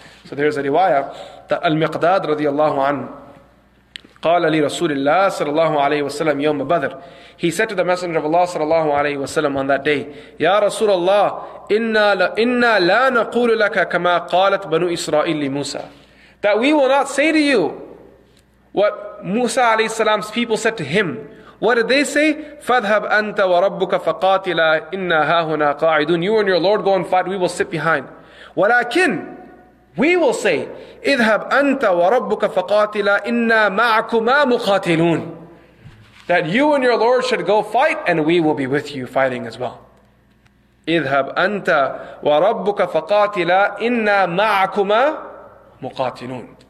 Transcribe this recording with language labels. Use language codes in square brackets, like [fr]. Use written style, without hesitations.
[en] So there's a riwayah that [ar] Al-Miqdad radiallahu anhu قال لي رسول الله صلى الله عليه وسلم يوم بدر. [en] He said to the Messenger of Allah [ar] صلى الله عليه وسلم on that day, يا رسول الله إنا لا نقول لك كما قالت بنو إسرائيل لموسى. [en] That we will not say to you what Musa عليه السلام's people said to him. What did they say? [ar] فذهب أنت وربك فقاتلا إنا هاهنا قاعدون. [en] You and your Lord go and fight, we will sit behind. [ar] ولكن [en] we will say, [ar] اِذْهَبْ أَنْتَ وَرَبُّكَ فَقَاتِلَا إِنَّا مَعْكُمَا مُقَاتِلُونَ. [en] That you and your Lord should go fight and we will be with you fighting as well. [ar] اِذْهَبْ أَنْتَ وَرَبُّكَ فَقَاتِلَا إِنَّا مَعْكُمَا مُقَاتِلُونَ.